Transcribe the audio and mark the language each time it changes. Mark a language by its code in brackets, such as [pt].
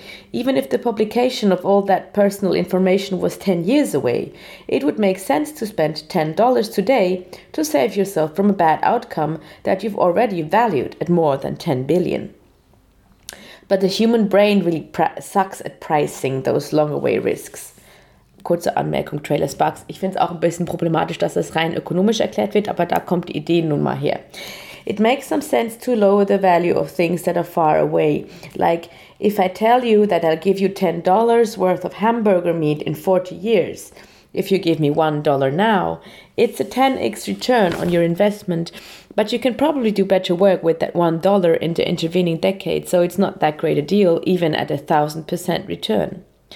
[en] Even if the publication of all that personal information was 10 years away, it would make sense to spend $10 today to save yourself from a bad outcome that you've already valued at more than $10 billion. But the human brain really sucks at pricing those long-away risks. [de] Kurze Anmerkung, Trailer Sparks. Ich finde es auch ein bisschen problematisch, dass das rein ökonomisch erklärt wird, aber da kommt die Idee nun mal her. [en] It makes some sense to lower the value of things that are far away. Like, if I tell you that I'll give you $10 worth of hamburger meat in 40 years, if you give me $1 now, it's a 10x return on your investment, but you can probably do better work with that $1 in the intervening decade, so it's not that great a deal, even at a 1000% return.